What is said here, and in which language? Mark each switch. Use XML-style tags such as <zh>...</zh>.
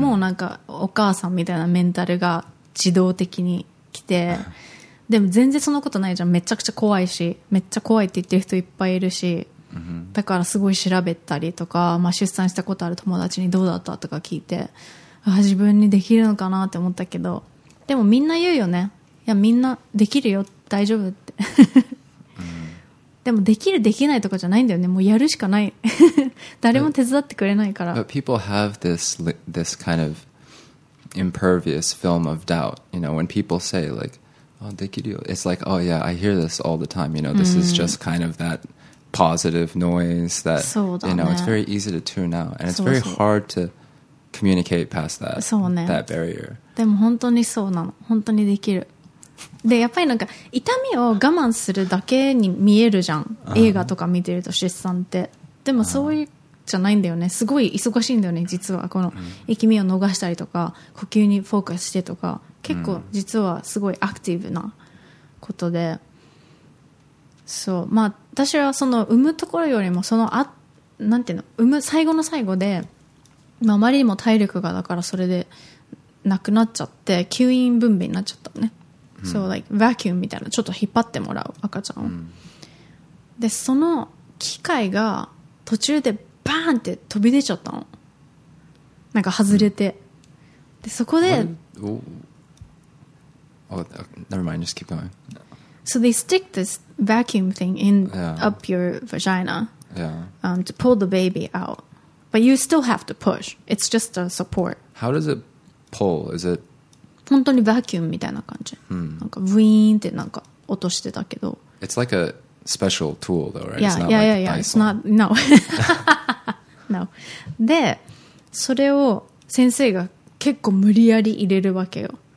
<ja>もうなんかお母さんみたいなメンタルが自動的に来てでも全然そのことないじゃんめちゃくちゃ怖いしめっちゃ怖いって言ってる人いっぱいいるしだからすごい調べたりとか、まあ、出産したことある友達にどうだったとか聞いてああ自分にできるのかなって思ったけどでもみんな言うよねいやみんなできるよ大丈夫ってでもできるできないとかじゃないんだよねもうやるしかない誰も手伝ってくれないから</ja> <en>But people have this kind ofimpervious film of doubt you know when people say like oh</en> <ja>dekiryo</ja> <en>it's like oh yeah I hear this all the time you know this、mm. is just kind of that positive noise that、</en> <ja>ね、</ja> <en>you know it's very easy to tune out and it's very hard to communicate past that、</en> <ja>ね、</ja> <en>that barrier</en> <ja>でも本当にそうなの本当にできるでやっぱりなんか痛みを我慢するだけに見えるじゃん、 uh-huh. 映画とか見てると出産ってでもそういう、 uh-huh. じゃないんだよねすごい忙しいんだよね実はこの息みを逃したりとか呼吸にフォーカスしてとか結構実はすごいアクティブなことでそうまあ私はその産むところよりもそのあなんていうの産む最後の最後で、まあ、あまりにも体力がだからそれでなくなっちゃって吸引分娩になっちゃったね、うん、そう</ja> <en>like vacuum</en> <ja>みたいなちょっと引っ張ってもらう赤ちゃんを、うん、でその機械が途中でバーンって飛び出ちゃったの。なんか外れて、でそこで、</ja> <en>never mind, just keep going. So they stick this vacuum thing in up your vagina, to pull the baby out. But you still have to push. It's just a support. How does it pull? Is it?</en> <ja>本当にバキュームみたいな感じ。なんかブイーンってなんか落としてたけど。</ja> <en>It's like a special tool, though, right? Yeah, yeah, yeah, yeah. It's not, no. No.</en> <ja>で、それを先生が結構無理やり入れるわけよ。</ja>